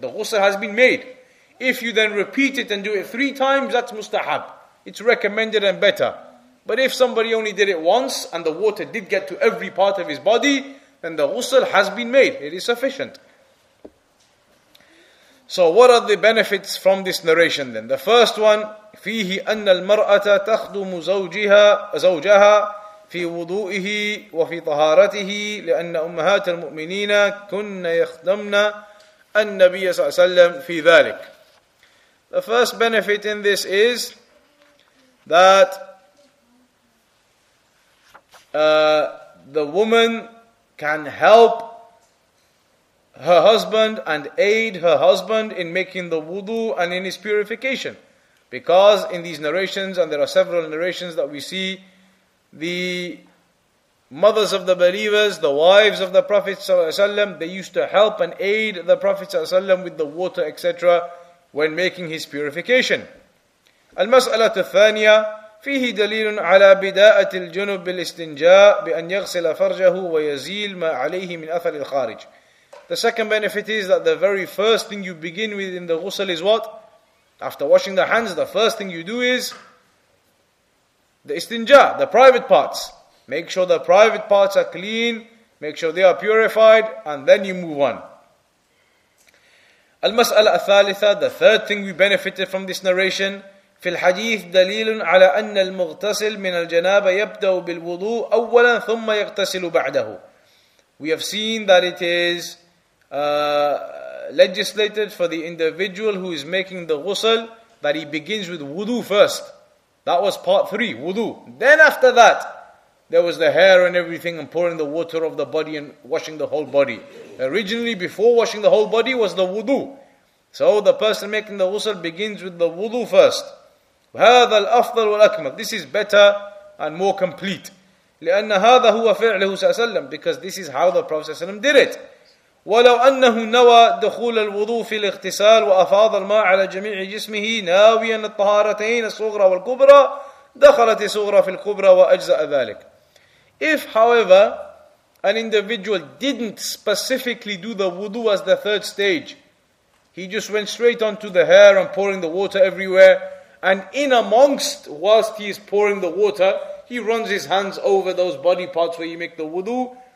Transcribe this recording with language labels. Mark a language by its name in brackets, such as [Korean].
[English] The ghusl has been made. If you then repeat it and do it three times, that's mustahab. It's recommended and better. But if somebody only did it once and the water did get to every part of his body, then the ghusl has been made. It is sufficient. So what are the benefits from this narration then? The first one, [Arabic] فيه أن المرأة تخدم زوجها في وضوئه وفي طهارته لأن أمهات المؤمنين كن يخدمن النبي صلى الله عليه وسلم في ذلك. [English] The first benefit in this is that the woman can help her husband and aid her husband in making the wudu and in his purification. Because in these narrations, and there are several narrations that we see, the mothers of the believers, the wives of the Prophet ﷺ, they used to help and aid the Prophet ﷺ with the water, etc., when making his purification. [Arabic] المسألة الثانية فيه دليل على بداءة الجنب بالاستنجاء بأن يغسل فرجه ويزيل ما عليه من أثر الخارج. [English] The second benefit is that the very first thing you begin with in the ghusl is what? After washing the hands, the first thing you do is the istinja, the private parts. Make sure the private parts are clean, make sure they are purified, and then you move on. [Arabic] المسألة الثالثة, [English] the third thing we benefited from this narration, [Arabic] في الحديث دليل على أن المغتسل من الجنابة يبدأ بالوضوء أولا ثم يغتسل بعده. [English] We have seen that it is legislated for the individual who is making the ghusl that he begins with wudu first. That was part three, wudu. Then after that, there was the hair and everything and pouring the water of the body and washing the whole body. Originally, before washing the whole body was the wudu. So the person making the ghusl begins with the wudu first. [Arabic] هذا الأفضل والأكمل. [English] This is better and more complete. [Arabic] لأن هذا هو فعله صلى الله عليه وسلم. [English] Because this is how the Prophet [Arabic] صلى الله عليه وسلم [English] did it. [Arabic] ولو أنه نوى دخول الوضوء في الاغتسال وأفاض الماء على جميع جسمه ناويا الطهارتين الصغرى والكبرى دخلت الصغرى في الكبرى وأجزأ ذلك. [English] If, however, an individual didn't specifically do the wudu as the third stage, he just went straight on to the hair and pouring the water everywhere, And in amongst, whilst he is pouring the water, he runs his hands over those body parts where you make the wudu.